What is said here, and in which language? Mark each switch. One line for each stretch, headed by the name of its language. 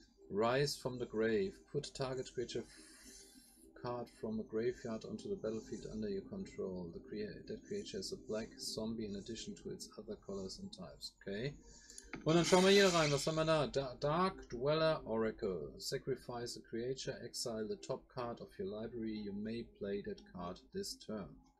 English: Rise from the Grave, put target creature card from a graveyard onto the battlefield under your control. That creature is a black zombie in addition to its other colors and types. Okay.
German: Und dann schauen wir hier rein, was haben wir da?
English: Dark Dweller Oracle. Sacrifice a creature, exile the top card of your library. You may play that card this turn.